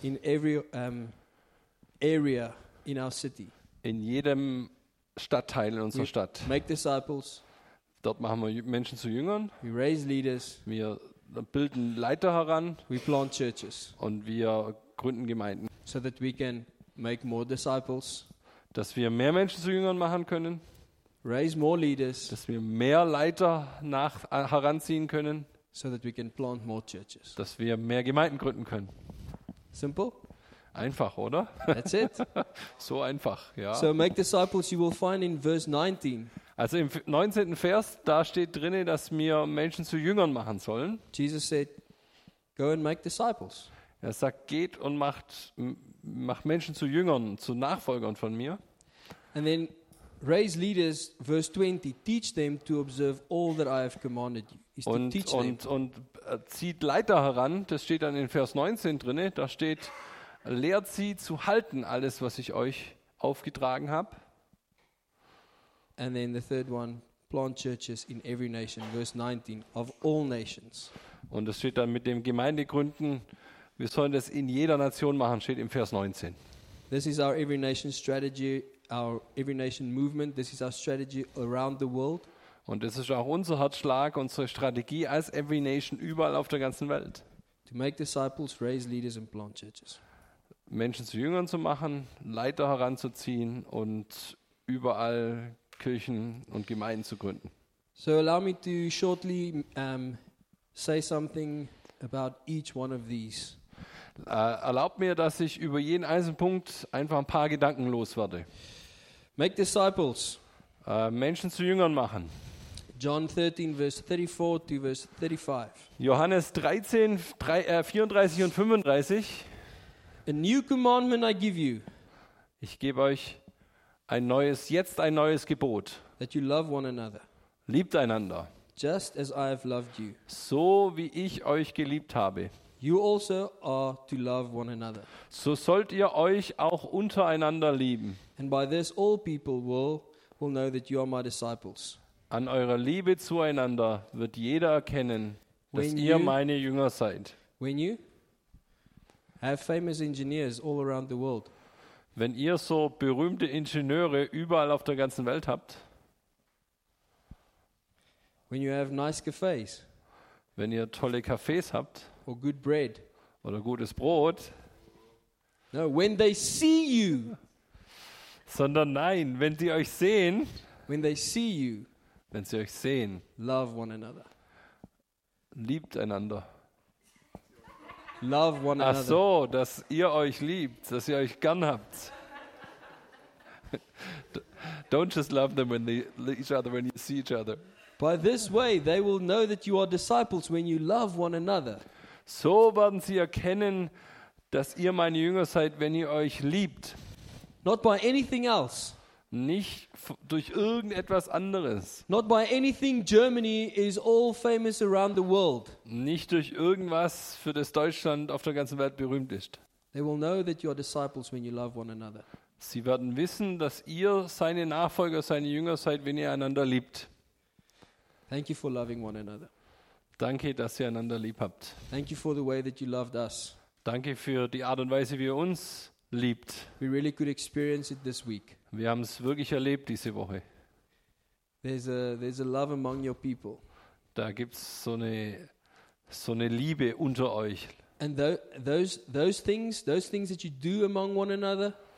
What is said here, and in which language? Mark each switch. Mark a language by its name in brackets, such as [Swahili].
[English] In every area in our city. [German] In jedem Stadtteil in unserer Stadt. [English] Make disciples. [German] Dort machen wir Menschen zu Jüngern. [English] We raise leaders. [German] Wir bilden Leiter heran. [English] We plant churches. [German] Und wir gründen Gemeinden. [English] So that we can make more disciples. [German] Dass wir mehr Menschen zu Jüngern machen können. [English] Raise more leaders. [German] Dass wir mehr Leiter heranziehen können. [English] So that we can plant more churches. [German] Dass wir mehr Gemeinden gründen können. [English] Simple. [German] Einfach, oder? [English] That's it. [German] So einfach, ja. [English] So make disciples, you will find in verse 19. [German] Also im 19. Vers, da steht drin, dass wir Menschen zu Jüngern machen sollen. [English] Jesus said, go and make disciples. [German] Er sagt, geht und macht Menschen zu Jüngern, zu Nachfolgern von mir. [English] And then raise leaders, verse 20, teach them to observe all that I have commanded you. [German] Und zieht Leiter heran, das steht dann in Vers 19 drin, da steht, lehrt sie zu halten, alles, was ich euch aufgetragen habe. [English] And then the third one, plant churches in every nation, verse 19, of all nations. [German] Und es steht dann mit dem Gemeindegründen, wir sollen das in jeder Nation machen, steht im Vers 19. [English] This is our every nation strategy, our every nation movement, this is our strategy around the world. [German] Und es ist auch unser Herzschlag, unsere Strategie als every nation überall auf der ganzen Welt. [English] To make disciples, raise leaders and plant churches. [German] Menschen zu Jüngern zu machen, Leiter heranzuziehen und überall Kirchen und Gemeinden zu gründen. [English] So allow me to shortly say something about each one of these. [German] Erlaubt mir, dass ich über jeden einzelnen Punkt einfach ein paar Gedanken loswerde. [English] Make disciples. [German] Menschen zu Jüngern machen. [English] John 13, verse 34 to verse 35. [German] Johannes 13, 34 und 35. [English] A new commandment I give you. [German] Ich gebe euch ein neues Gebot. [English] That you love one another. [German] Liebt einander. [English] Just as I have loved you. [German] So wie ich euch geliebt habe. [English] You also are to love one another. [German] So sollt ihr euch auch untereinander lieben. [English] And by this all people will know that you are my disciples. [German] An eurer Liebe zueinander wird jeder erkennen, dass ihr meine Jünger seid. [English] When you have famous engineers all around the world. [German] Wenn ihr so berühmte Ingenieure überall auf der ganzen Welt habt. [English] When you have nice cafes. [German] Wenn ihr tolle Cafés habt. [English] Or good bread. [German] Oder gutes Brot. [English] No, when they see you. [German] Sondern nein, wenn sie euch sehen. [English] When they see you. [German] Wenn sie euch sehen. [English] Love one another. [German] Liebt einander. [English] Love one another. [German] Ach so, dass ihr euch liebt, dass ihr euch gern habt. [English] Don't just love them when they each other when you see each other. By this way they will know that you are disciples when you love one another. [German] So werden sie erkennen, dass ihr meine Jünger seid, wenn ihr euch liebt. [English] Not by anything else. [German] Nicht durch irgendetwas anderes. [English] Not by anything Germany is all famous around the world. [German] Nicht durch irgendwas, für das Deutschland auf der ganzen Welt berühmt ist. [English] They will know that you are disciples when you love one another. [German] Sie werden wissen, dass ihr seine Nachfolger, seine Jünger seid, wenn ihr einander liebt. [English] Thank you for loving one another. [German] Danke, dass ihr einander lieb habt. [English] Thank you for the way that you loved us. [German] Danke für die Art und Weise, wie ihr uns liebt. [English] We really could experience it this week. [German] Wir haben es wirklich erlebt diese Woche. [English] There's a love among your people. [German] Da gibt's so eine Liebe unter euch. [English] And those things that you do among one another.